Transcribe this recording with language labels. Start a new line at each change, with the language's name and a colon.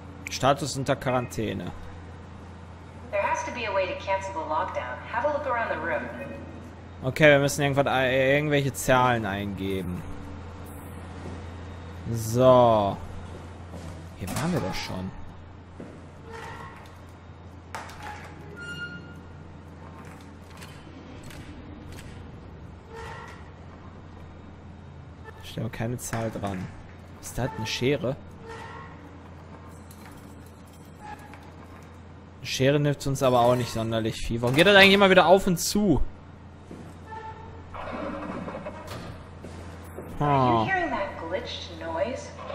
German: Status unter Quarantäne.
English: There has to be a way to cancel the lockdown. Have a look around the room.
German: Okay, wir müssen irgendwelche Zahlen eingeben. So. Hier waren wir doch schon. Ich stelle keine Zahl dran. Ist das eine Schere? Eine Schere nimmt uns aber auch nicht sonderlich viel. Warum geht das eigentlich immer wieder auf und zu? Huh.
English: Are you hearing that glitched noise?